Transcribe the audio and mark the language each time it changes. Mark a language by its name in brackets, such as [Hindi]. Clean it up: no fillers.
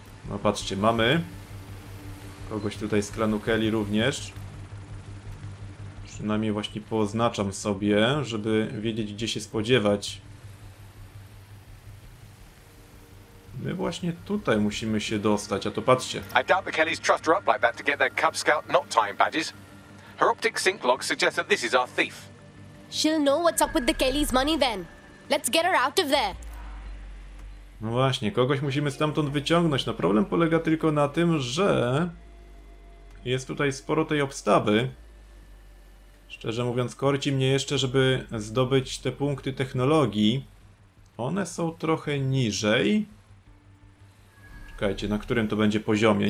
[Polish] No patrzcie, mamy kogoś tutaj z klanu Kelly również. Przynajmniej właśnie pooznaczam sobie, żeby wiedzieć, gdzie się spodziewać. My właśnie tutaj musimy się dostać, a to patrzcie. [English] I doubt the Kellys trust her up like that to get their Cub Scout not time badges. Her optic sync log suggests that this is our thief. She'll know what's up with the Kellys' money then. Let's get her out of there. [Polish] No właśnie, kogoś musimy stamtąd wyciągnąć. No problem polega tylko na tym, że jest tutaj sporo tej obstawy. Szczerze mówiąc, korci mnie jeszcze, żeby zdobyć te punkty technologii. One są trochę niżej. Czekajcie, na którym to będzie poziomie?